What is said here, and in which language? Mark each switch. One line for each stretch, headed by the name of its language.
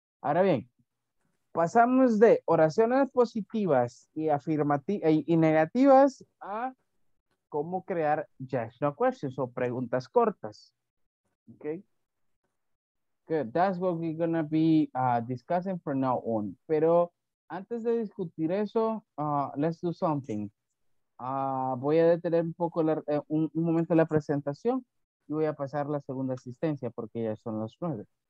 Spanish: Ahora bien, pasamos de oraciones positivas y afirmativas y negativas a cómo crear yes, no questions o preguntas cortas.
English: Okay. Good. That's what we're going to be discussing from now on.
Spanish: Pero antes de discutir eso,
English: let's do something.
Spanish: Voy a detener un poco la, un momento la presentación y voy a pasar la segunda asistencia porque ya son las 9.